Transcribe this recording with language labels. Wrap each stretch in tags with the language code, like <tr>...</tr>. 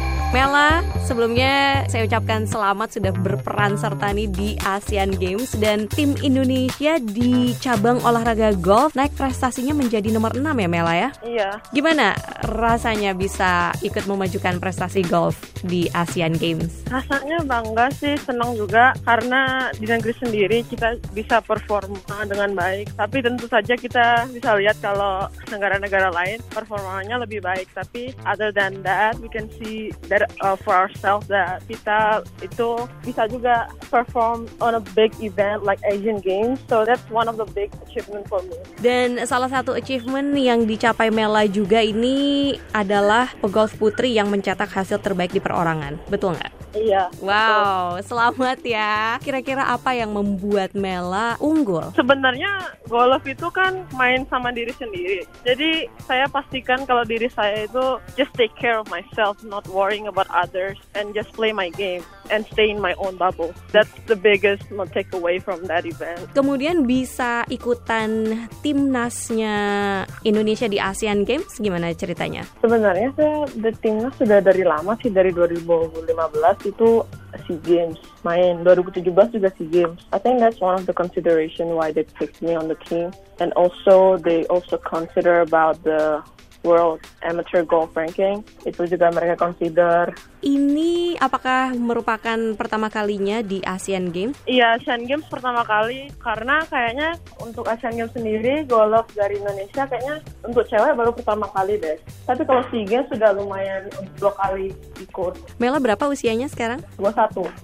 <id>Mela, sebelumnya saya ucapkan selamat sudah berperan serta nih di Asian Games dan tim Indonesia di cabang olahraga golf naik prestasinya menjadi nomor 6 ya Mela ya? Iya. Gimana rasanya bisa ikut memajukan prestasi golf di Asian Games? Rasanya bangga sih, senang juga karena di negeri sendiri kita bisa performa dengan baik. Tapi tentu saja kita bisa lihat kalau negara-negara lain performanya lebih baik. Tapi</id> <en>other than that, we can see that for ourselves that</en> <id>kita itu bisa juga</id> <en>perform on a big event like Asian Games. So that's one of the big achievement for me.</en> <id>Dan salah satu achievement yang dicapai Mela juga ini adalah pegolf putri yang mencetak hasil terbaik di perorangan. Betul nggak? Iya. Wow, betul. Selamat ya. Kira-kira apa yang membuat Mela unggul? Sebenarnya golf itu kan main sama diri sendiri. Jadi saya pastikan kalau diri saya itu</id> <en>just take care of myself, not worrying about others, and just play my game and stay in my own bubble. That's the biggest takeaway from that event.</en> <id>Kemudian bisa ikutan timnasnya Indonesia di Asian Games, gimana ceritanya? Sebenarnya saya the timnas sudah dari lama sih, dari 2015 itu SEA Games main, 2017 juga SEA Games.</id> <en>I think that's one of the consideration why they picked me on the team, and also they also consider about the World Amateur Golf Ranking,</en> <id>itu juga mereka</id> <en>consider.</en> <id>Ini apakah merupakan pertama kalinya di Asian Games? Iya, Asian Games pertama kali, karena kayaknya untuk Asian Games sendiri golf dari Indonesia kayaknya untuk cewek baru pertama kali deh. Tapi kalau SEA Games sudah lumayan 2 kali ikut. Mela berapa usianya sekarang? 21.</id>